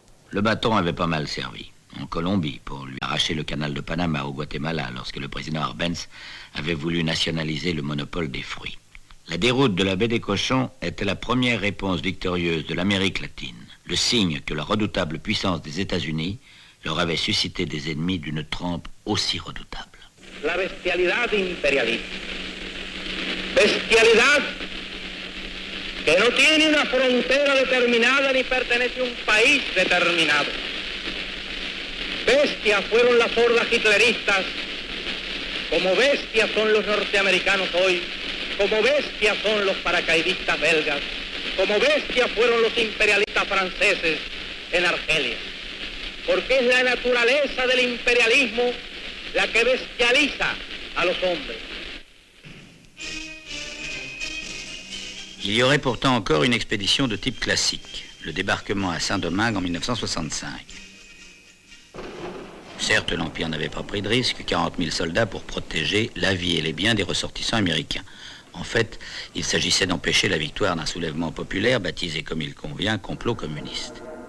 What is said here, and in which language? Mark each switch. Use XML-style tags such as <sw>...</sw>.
<fr>Le bâton avait pas mal servi. En Colombie, pour lui arracher le canal de Panama au Guatemala, lorsque le président Arbenz avait voulu nationaliser le monopole des fruits. La déroute de la baie des cochons était la première réponse victorieuse de l'Amérique latine, le signe que la redoutable puissance des États-Unis leur avait suscité des ennemis d'une trempe aussi redoutable.</fr> <es>La bestialidad imperialista. Bestialidad que no tiene una frontera determinada ni pertenece a un país determinado. Bestias fueron las hordas hitleristas, como bestias son los norteamericanos hoy, como bestias son los paracaidistas belgas, como bestias fueron los imperialistas franceses en Argelia. Porque es la naturaleza del imperialismo la que bestializa a los hombres.</es> <fr>Il y aurait pourtant encore une expédition de type classique, le débarquement à Saint-Domingue en 1965. Certes, l'Empire n'avait pas pris de risque, 40 000 soldats pour protéger la vie et les biens des ressortissants américains. En fait, il s'agissait d'empêcher la victoire d'un soulèvement populaire baptisé comme il convient complot communiste.</fr>